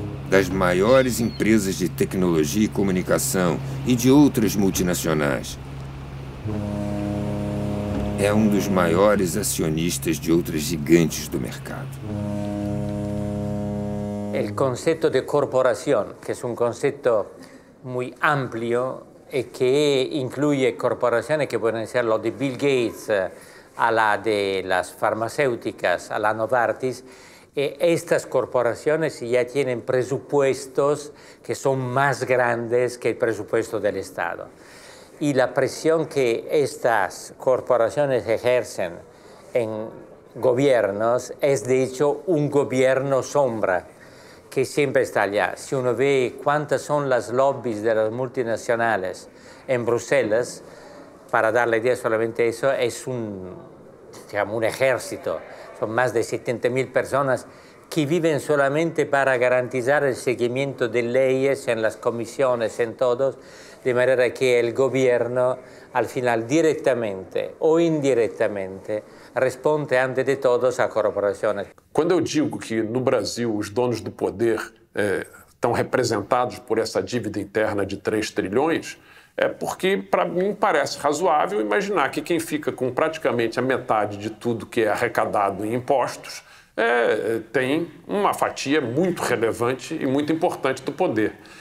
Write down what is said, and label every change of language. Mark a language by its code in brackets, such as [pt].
[pt] Das maiores empresas de tecnologia e comunicação e de outras multinacionais. É um dos maiores acionistas de outras gigantes do mercado. [es] El concepto de corporación, que es un concepto muy amplio y que incluye corporaciones que pueden ser lo de Bill Gates a la de las farmacéuticas, a la Novartis, estas corporaciones ya tienen presupuestos que son más grandes que el presupuesto del Estado. Y la presión que estas corporaciones ejercen en gobiernos es, de hecho, un gobierno sombra. Que siempre está allá. Si uno ve cuántas son las lobbies de las multinacionales en Bruselas, para dar la idea solamente eso, es un ejército. Son más de 70.000 personas que viven solamente para garantizar el seguimiento de leyes en las comisiones, en todos, de manera que el gobierno, al final, directamente o indirectamente, responde antes de todos a corporaciones. [pt] Quando eu digo que no Brasil os donos do poder estão representados por essa dívida interna de 3 trilhões, é porque para mim parece razoável imaginar que quem fica com praticamente a metade de tudo que é arrecadado em impostos tem uma fatia muito relevante e muito importante do poder.